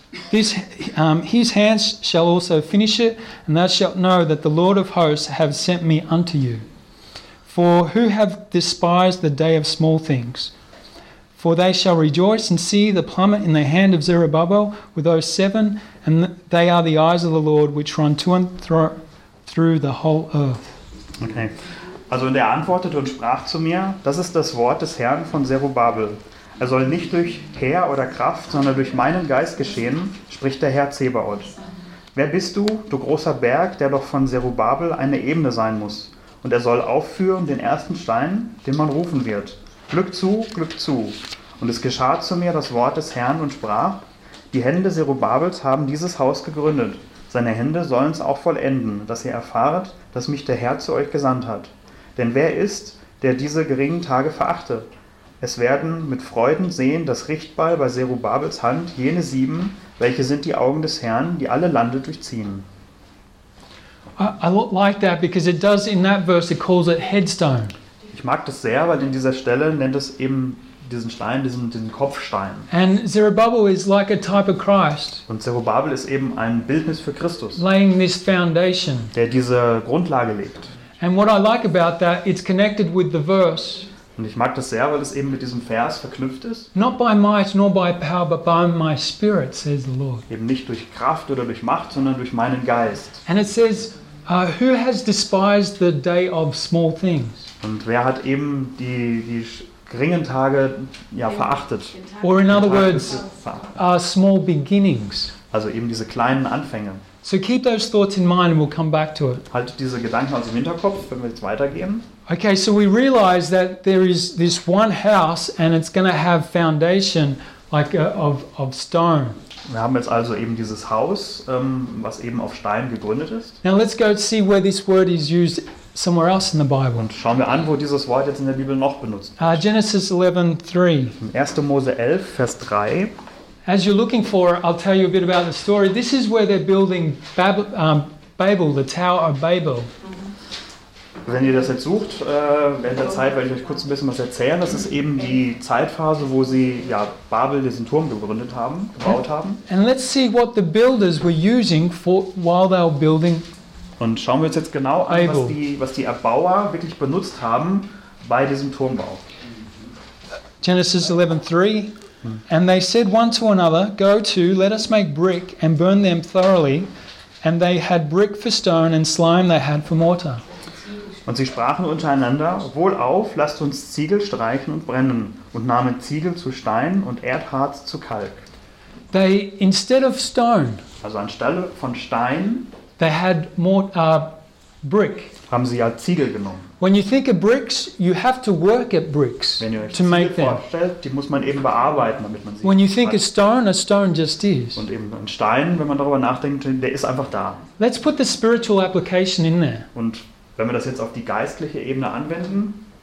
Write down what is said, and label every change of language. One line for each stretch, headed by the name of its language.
English: This his hands shall also finish it, and thou shalt know that the Lord of hosts have sent me unto you. For who have despised the day of small things? For they shall rejoice and see the plummet in the hand of Zerubbabel with those seven, and they are the eyes of the Lord, which run to and fro through the whole earth. Okay.
German: Also, und er antwortete und sprach zu mir: Das ist das Wort des Herrn von Zerubbabel. Er soll nicht durch Heer oder Kraft, sondern durch meinen Geist geschehen, spricht der Herr Zebaoth. Wer bist du, du großer Berg, der doch von Zerubbabel eine Ebene sein muss? Und er soll aufführen den ersten Stein, den man rufen wird. Glück zu, Und es geschah zu mir das Wort des Herrn und sprach, die Hände Serubabels haben dieses Haus gegründet. Seine Hände sollen es auch vollenden, dass ihr erfahrt, dass mich der Herr zu euch gesandt hat. Denn wer ist, der diese geringen Tage verachte? Es werden mit Freuden sehen, das Richtball bei Serubabels Hand jene sieben, welche sind die Augen des Herrn, die alle Lande durchziehen.
English: I like that because it does in that verse it calls it headstone.
German: Ich mag das sehr, weil in dieser Stelle nennt es eben diesen Stein, diesen Kopfstein.
English: And Zerubbabel is like a type of Christ.
German: Und Zerubbabel ist eben ein Bildnis für Christus.
English: Laying this foundation.
German: Der diese Grundlage legt.
English: And what I like about that, it's connected with the verse.
German: Und ich mag das sehr, weil es eben mit diesem Vers verknüpft ist.
English: Not by might nor by power, but by my spirit, says the Lord.
German: Eben nicht durch Kraft oder durch Macht, sondern durch meinen Geist.
English: And it says, who has despised the day of small things?
German: Und wer hat eben die geringen Tage ja verachtet?
English: Or in other words, small beginnings.
German: Also eben diese kleinen Anfänge.
English: So keep those thoughts in mind and we'll come back to it.
German: Halt diese Gedanken also im Hinterkopf, wenn wir jetzt weitergehen.
English: Okay, so we realize that there is this one house and it's going to have foundation like of stone.
German: Wir haben jetzt also eben dieses Haus, was eben auf Stein gegründet ist.
English: Now let's go see where this word is used somewhere else in the Bible.
German: Und schauen wir an, wo dieses Wort jetzt in der Bibel noch benutzt wird. Genesis 11:3. 1. Mose 11, Vers 3.
English: As you're looking for, I'll tell you a bit about the story. This is where they're building Babel, the Tower of Babel.
German: Wenn ihr das jetzt sucht, während der Zeit werde ich euch kurz ein bisschen was erzählen. Das ist eben die Zeitphase, wo sie ja Babel, diesen Turm gegründet haben, gebaut haben.
English: And let's see what the builders were using for while they were building.
German: Und schauen wir uns jetzt genau an, was die Erbauer wirklich benutzt haben bei diesem Turmbau.
English: Genesis 11:3. And they said one to another, go to, let us make brick and burn them thoroughly. And they had brick for stone and slime they had for mortar.
German: Und sie sprachen untereinander, wohlauf, lasst uns Ziegel streichen und brennen. Und nahmen Ziegel zu Stein und Erdharz zu Kalk.
English: They, instead of stone,
German: also anstelle von Stein,
English: they had brick.
German: Haben sie ja Ziegel genommen.
English: When you think of bricks, you have to work at bricks to make them.
German: Wenn ihr euch Ziegel vorstellt, die muss man eben bearbeiten, damit man sie.
English: When you think of stone, a stone just is.
German: Und eben ein Stein, wenn man darüber nachdenkt, der ist einfach da.
English: Let's put the spiritual application in there.
German: Und wenn wir das jetzt auf die geistliche Ebene anwenden,